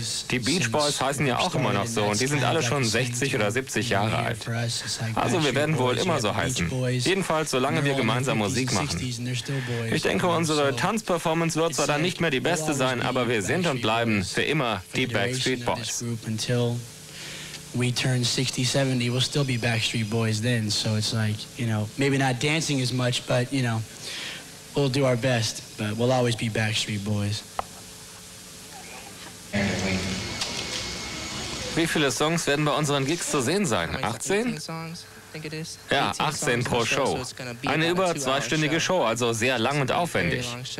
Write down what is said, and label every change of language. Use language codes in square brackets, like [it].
[de] Die Beach Boys heißen ja auch immer noch so und die sind alle schon 60 oder 70 Jahre alt. Also wir werden wohl immer so heißen. Jedenfalls, solange wir gemeinsam Musik machen. Ich denke, unsere Tanzperformance wird zwar dann nicht mehr die beste sein, aber wir sind und bleiben für immer die Backstreet Boys. [en] We turn 60, 70, we'll still be Backstreet Boys then, so it's like, you know, maybe not dancing as much, but, you know, we'll do our best, but we'll always be Backstreet Boys. [de] Wie viele Songs werden bei unseren Gigs zu sehen sein? 18? Ja, 18 pro Show. Eine über zweistündige Show, also sehr lang und aufwendig.